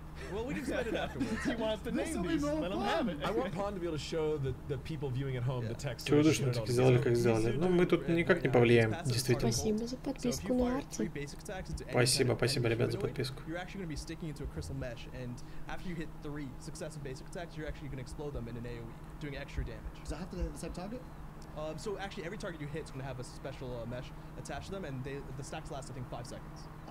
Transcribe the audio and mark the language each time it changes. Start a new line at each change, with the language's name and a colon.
English: Well, we can spend it afterwards. He wants to name these. Let him have it. I want Pond to be able to show the people viewing at home the text.
Russian: Чего душно так сделали, как сделали? Ну, мы тут никак не повлияем, действительно. Спасибо за подписку на арте. Спасибо, спасибо, ребят, за подписку.
English: You're actually going to be sticking into a crystal mesh, and after you hit three successive basic attacks, you're actually going to explode them in an AoE, doing extra damage. Does that have the same target? So actually, every target you hit is going to have a special mesh attached to them, and the stacks last, I think, 5 seconds.